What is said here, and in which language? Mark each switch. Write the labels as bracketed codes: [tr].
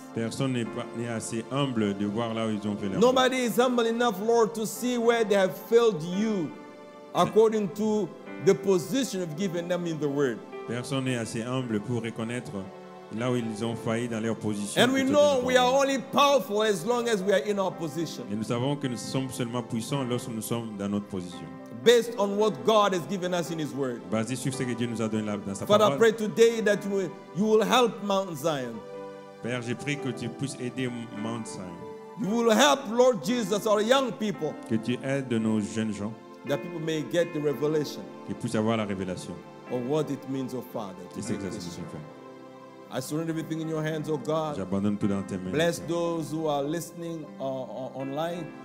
[fr] Personne n'est assez humble de voir là où ils ont fait l'erreur. [en] Nobody is humble enough, Lord, to see where they have failed you according to the position you've given them in the word. [fr] Personne n'est assez humble pour reconnaître là où ils ont failli dans leur position. [en] And we know we are only powerful as long as we are in our position. [fr] Et nous savons que nous sommes seulement puissants lorsque nous sommes dans notre position. [en] Based on what God has given us in His Word. [fr] Basé sur ce que Dieu nous a donné dans sa [en] Father, I pray today that you will help Mount Zion. [fr] Père, je prie que tu puisses aider Mount Zion. [en] You will help, Lord Jesus, our young people. [fr] Que tu aides nos jeunes gens. [en] That people may get the revelation. [fr] Qu'ils puissent avoir la révélation. [en] Of what it means, oh Father. [fr] Et c'est exactement ce que tu fais. [en] I surrender everything in your hands, oh God. [fr] J'abandonne tout dans tes mains. [en] Bless those who are listening online.